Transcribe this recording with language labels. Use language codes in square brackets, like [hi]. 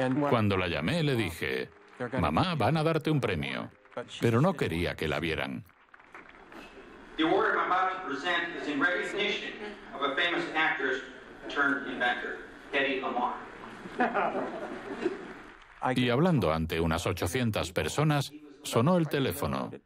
[es] Cuando la llamé, le dije, mamá, van a darte un premio. Pero no quería que la vieran. [en] The award I'm about to present is in recognition of a famous actress turned inventor, Hedy Lamarr. [es] Y hablando ante unas 800 personas, sonó el teléfono.